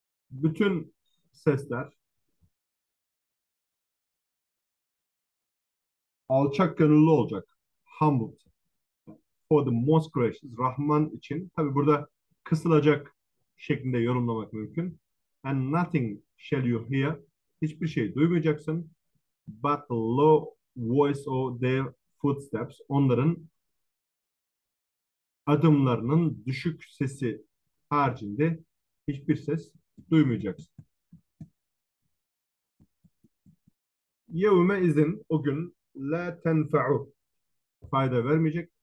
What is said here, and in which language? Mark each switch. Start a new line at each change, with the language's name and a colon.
Turkish: Bütün sesler alçak gönüllü olacak.
English: Humbled. For the most gracious,
Turkish: Rahman için. Tabi burada kısılacak şeklinde yorumlamak mümkün.
English: And nothing shall you hear.
Turkish: Hiçbir şey duymayacaksın.
English: But the low voice of their footsteps.
Turkish: Onların adımlarının düşük sesi haricinde hiçbir ses duymayacaksın. Yevme izin, o gün la tenfa'u, fayda vermeyecek.